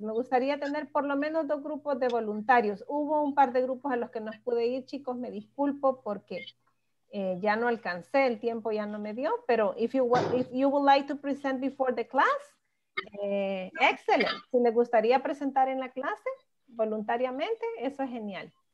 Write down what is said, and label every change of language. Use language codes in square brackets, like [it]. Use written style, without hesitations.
[es] Me gustaría tener por lo menos dos grupos de voluntarios. Hubo un par de grupos a los que no pude ir, chicos. Me disculpo porque ya no alcancé, el tiempo ya no me dio. [en] Pero if you would like to present before the class, excellent. [es] Si les gustaría presentar en la clase voluntariamente, eso es genial.